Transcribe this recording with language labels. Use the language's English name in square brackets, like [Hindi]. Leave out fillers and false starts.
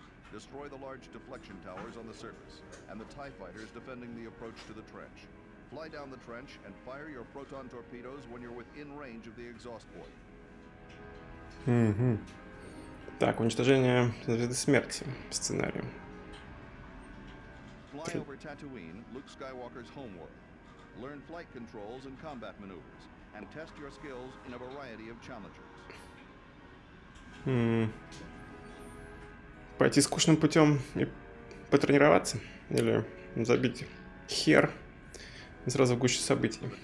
[English] Destroy the large deflection towers on the surface, and the TIE fighters defending the approach to the trench. Fly down the trench and fire your proton torpedoes when you're within range of the exhaust port. [Russian] Так, уничтожение звезды смерти сценарий. [English] Fly over Tatooine, Luke Skywalker's homeworld. Learn flight controls and combat maneuvers, and test your skills in a variety of challenges. [Russian] Пойти скучным путем и потренироваться? Или забить хер и сразу в гущу событий?